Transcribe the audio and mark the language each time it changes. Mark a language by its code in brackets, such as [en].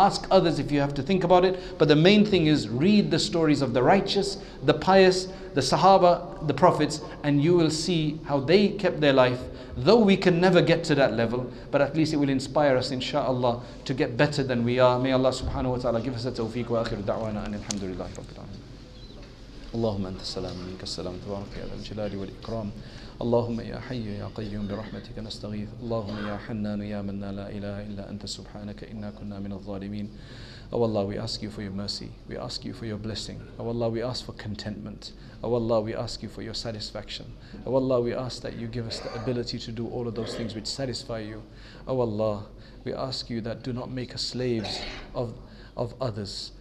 [en] Ask others if you have to think about it. But the main thing is read the stories of the righteous, the pious, the Sahaba, the prophets, and you will see how they kept their life. Though we can never get to that level, but at least it will inspire us, inshaAllah, to get better than we are. May Allah subhanahu wa ta'ala give us a tawfiq [ar] wa akhiru da'wana [en] and [ar] alhamdulillahi rabbil alamin. اللهم أنت السلام منك السلام تبارك يا ذا الجلال والإكرام اللهم يا حي يا قيوم برحمتك نستغيث اللهم يا حنان يا منان لا إله إلا أنت سبحانك إنا كنا من الظالمين. [en] Oh Allah, we ask you for your mercy. We ask you for your blessing. Oh Allah, we ask for contentment. Oh Allah, we ask you for your satisfaction. Oh Allah, we ask that you give us the ability to do all of those things which satisfy you. Oh Allah, we ask you that do not make us slaves of others.